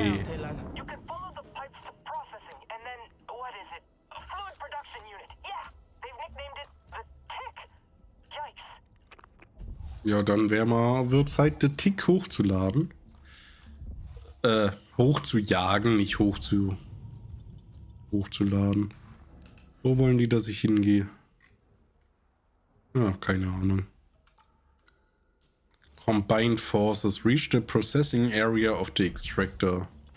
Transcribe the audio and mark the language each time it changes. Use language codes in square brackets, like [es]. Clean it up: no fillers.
[en] You can follow the pipes to processing and then, what is it? A fluid production unit. Yeah, they've nicknamed it the Tick. [de] Ja, dann wird Zeit, the Tick hochzuladen. Hochzujagen, nicht hochzuladen. Wo wollen die, dass ich hingehe? Ja, keine Ahnung. [en] Combined forces reach the processing area of the extractor.